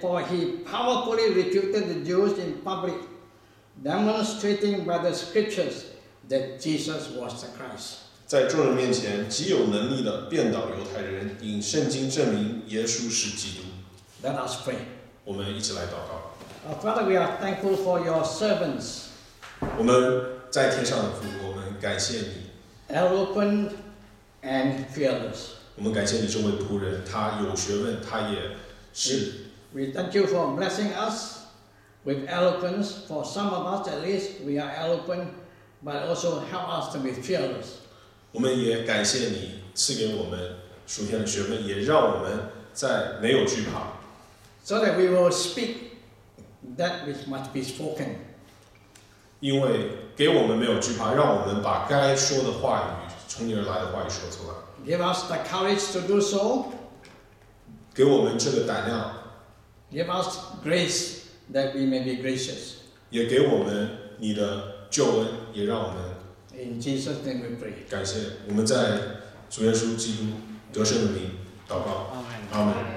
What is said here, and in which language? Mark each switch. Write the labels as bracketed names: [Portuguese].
[English] For he powerfully refuted the Jews in public, demonstrating by the scriptures that Jesus was the Christ. [Chinese] 在众人面前极有能力的辩倒犹太人，以圣经证明耶稣是基督。 [English] Let us pray. [Chinese] 我们一起来祷告。 [English] Father, we are thankful for your servants. [Chinese] 我们在天上的父，我们感谢你。 [English] Eloquent. And fearless. [Chinese] 我们感谢你这位仆人，他有学问，他也是。 [English] We thank you for blessing us with eloquence. For some of us, at least, we are eloquent, but also help us to be fearless. [Chinese] 我们也感谢你赐给我们属天的学问，也让我们在没有惧怕。 [English] So that we will speak that which must be spoken. [Chinese] 因为给我们没有惧怕，让我们把该说的话语。从你而来的话语说出来。 [English] Give us the courage to do so. [Chinese] 给我们这个胆量。 [English] Give us grace that we may be gracious. [Chinese] 也给我们你的救恩，也让我们。 [English] In Jesus' name we pray. [Chinese] 感谢我们在主耶稣基督得胜的名祷告。阿门。阿门。